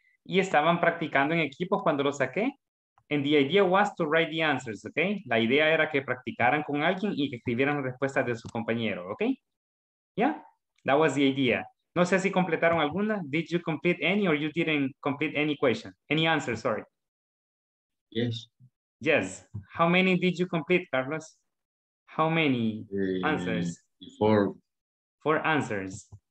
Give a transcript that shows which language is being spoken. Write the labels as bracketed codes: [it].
[es] Y estaban practicando en equipo cuando lo saqué. [en] And the idea was to write the answers, okay? [es] La idea era que practicaran con alguien y que escribieran respuestas de su compañero, okay? [en] Yeah, that was the idea. [es] No sé si completaron alguna. [en] Did you complete any or you didn't complete any question? Any answer, sorry. Yes. Yes. How many did you complete, Carlos? How many answers? Four. Four answers.